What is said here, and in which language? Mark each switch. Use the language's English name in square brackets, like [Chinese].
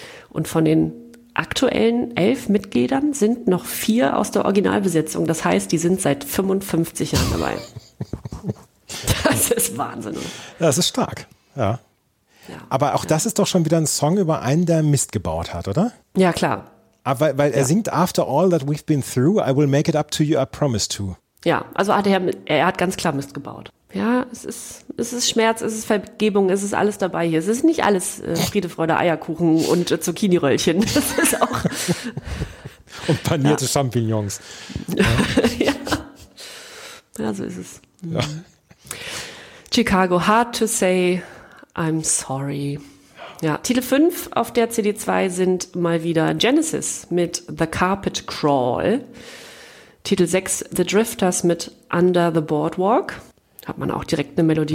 [German] Und von den aktuellen 11 Mitgliedern sind noch 4 aus der Originalbesetzung. Das heißt, die sind seit 55 Jahren dabei. Das ist Wahnsinn. Das ist stark, ja. Aber auch das ist doch schon wieder ein Song über einen, der Mist gebaut hat, oder? Ja, klar. Aber weil er singt, [English] after all that we've been through, I will make it up to you, I promise to. [German] Ja, also er hat ganz klar Mist gebaut. Ja, es ist Schmerz, es ist Vergebung, es ist alles dabei hier. Es ist nicht alles Friede, Freude, Eierkuchen und Zucchini-Röllchen. Das ist auch. Und panierte Champignons. Ja, so ist es. Ja. Chicago, Hard to Say I'm Sorry. Ja, Titel 5 auf der CD2 sind mal wieder Genesis mit The Carpet Crawl. Titel 6 The Drifters mit Under the Boardwalk. Hat man auch direkt eine Melodie.